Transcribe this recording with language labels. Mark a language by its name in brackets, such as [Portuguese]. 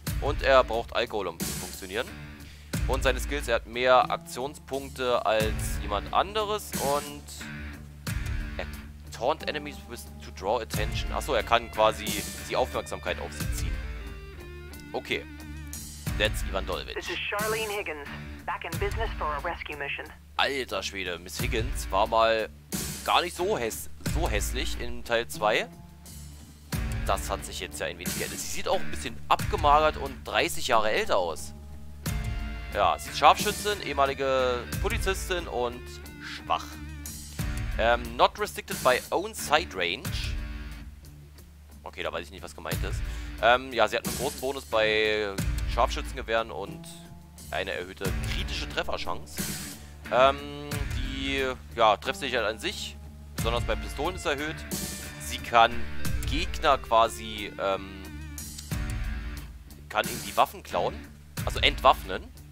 [German] Und er braucht Alkohol, um zu funktionieren. Und seine Skills, er hat mehr Aktionspunkte als jemand anderes. [English] Und taunt enemies to draw attention. [German] Achso, er kann quasi die Aufmerksamkeit auf sie ziehen. [English] Okay. That's Ivan Dolvich. This is Charlene Higgins, back in business for a rescue mission. [German] Alter Schwede, Miss Higgins war mal gar nicht so hässlich in Teil 2. das hat sich jetzt ja ein wenig geändert. Sie sieht auch ein bisschen abgemagert und 30 Jahre älter aus. Ja, sie ist Scharfschützin, ehemalige Polizistin und schwach. [English] Not restricted by own sight range. [German] Okay, da weiß ich nicht, was gemeint ist. Ja, sie hat einen großen Bonus bei Scharfschützengewehren und eine erhöhte kritische Trefferchance. Die, ja, Treffsicherheit an sich, besonders bei Pistolen, ist erhöht. Sie kann Gegner quasi, kann ihnen die Waffen klauen, also entwaffnen.